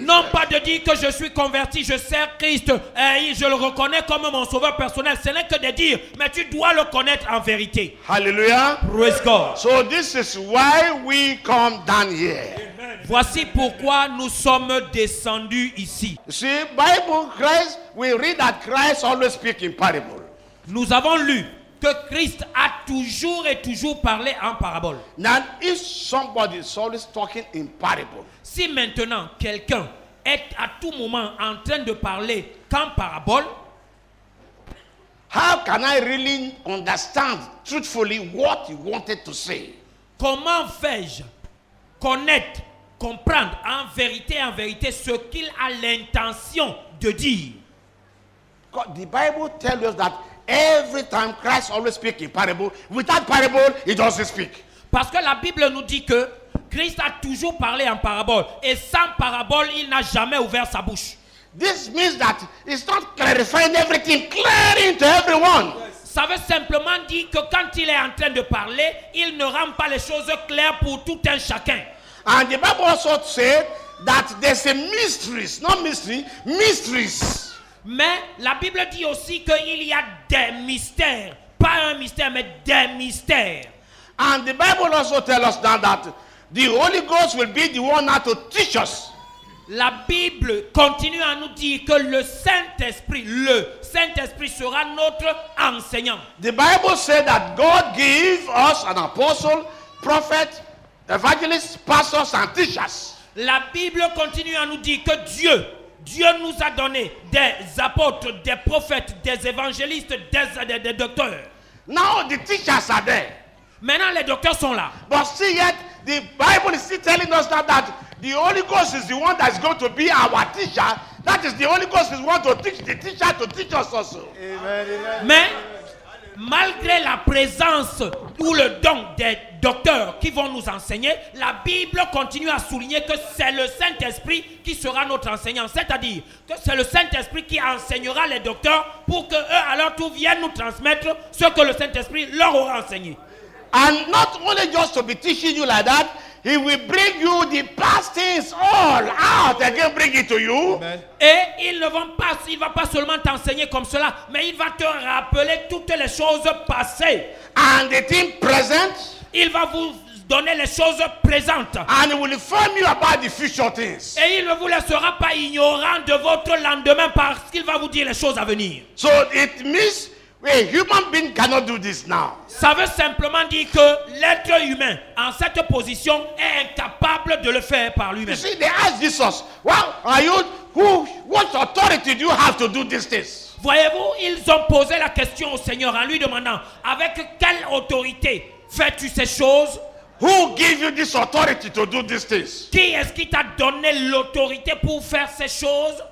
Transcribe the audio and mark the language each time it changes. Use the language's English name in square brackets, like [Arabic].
[French] Non pas de dire que je suis converti, je sers Christ et je le reconnais comme mon sauveur personnel. Ce n'est que de dire, mais tu dois le connaître en vérité. Hallelujah. [English] Praise God. So this is why we come down here. [French] Voici pourquoi nous sommes descendus ici. [English] See, Bible, Christ, we read that Christ always speaks in parable. [French] Nous avons lu que Christ a toujours et toujours parlé en parabole. [English] Now, if somebody is always talking in parable, [French] si maintenant quelqu'un est à tout moment en train de parler qu'en parabole, [English] how can I really understand truthfully what he wanted to say? [French] Comment fais-je connaître, comprendre en vérité ce qu'il a l'intention de dire? [English] God, the Bible tells us that every time Christ always speaks in parable, without parable, he doesn't speak. [French] Parce que la Bible nous dit que Christ a toujours parlé en parabole et sans parabole, il n'a jamais ouvert sa bouche. [English] This means that he's not clarifying everything clearly to everyone. [French] Ça veut simplement dire que quand il est en train de parler, il ne rend pas les choses claires pour tout un chacun. [English] And the Bible also said that there's a mysteries, not mystery, mysteries. [French] Mais la Bible dit aussi qu'il y a des mystères, pas un mystère, mais des mystères. [English] And the Bible also tells us now that the Holy Ghost will be the one now to teach us. [French] La Bible continue à nous dire que le Saint-Esprit sera notre enseignant. [English] The Bible said that God gave us an apostle, prophet, evangelist, pastors and teachers. [French] La Bible continue à nous dire que Dieu nous a donné des apôtres, des prophètes, des évangélistes, des docteurs. [English] Now the teachers are there. [French] Maintenant les docteurs sont là. [English] But still yet the Bible is still telling us that the Holy Ghost is the one that is going to be our teacher. That is the Holy Ghost is the one to teach the teacher to teach us also. Amen. [French] Mais Malgré la présence ou le don des docteurs qui vont nous enseigner, la Bible continue à souligner que c'est le Saint-Esprit qui sera notre enseignant. C'est-à-dire que c'est le Saint-Esprit qui enseignera les docteurs pour que eux à leur tour viennent nous transmettre ce que le Saint-Esprit leur aura enseigné. [English] And not only just to be teaching you like that, He will bring you the past things all out again, bring it to you. [French] Et il va pas seulement t'enseigner comme cela, mais il va te rappeler toutes les choses passées. [English] And the thing present. [French] Il va vous donner les choses présentes. [English] And he will inform you about the future things. [French] Et il ne vous laissera pas ignorant de votre lendemain parce qu'il va vous dire les choses à venir. [English] So it means a human being cannot do this now. [French] Ça veut simplement dire que l'être humain en cette position est incapable de le faire par lui-même. [English] You see, they ask Jesus, "Well, are you who? What authority do you have to do this thing?" [French] Voyez-vous, ils ont posé la question au Seigneur en lui demandant, avec quelle autorité fais-tu ces choses? [English] Who gave you this authority to do these things? [French] Qui est-ce qui t'a donné l'autorité pour faire ces choses?